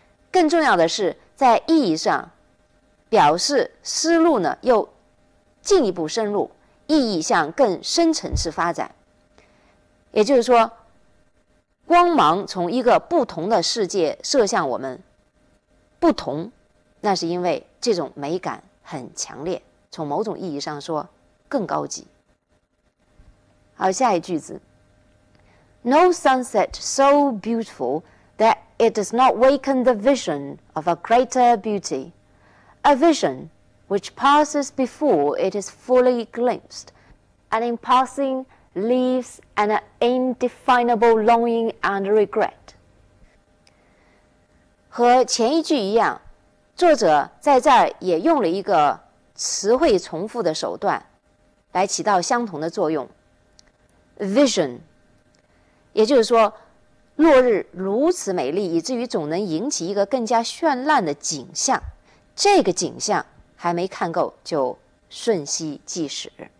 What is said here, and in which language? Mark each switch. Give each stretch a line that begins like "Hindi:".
Chinese: 更重要的是，在意义上表示思路呢又进一步深入，意义向更深层次发展。也就是说，光芒从一个不同的世界射向我们，不同，那是因为这种美感很强烈，从某种意义上说更高级。好，下一句子。
English: No sunset so beautiful that it does not waken the vision of a greater beauty. A vision which passes before it is fully glimpsed, and in passing leaves an indefinable longing and regret.
Chinese: 和前一句一样，作者在这儿也用了一个词汇重复的手段来起到相同的作用。 Vision， 也就是说落日如此美丽，以至于总能引起一个更加绚烂的景象，这个景象还没看够就瞬息即逝。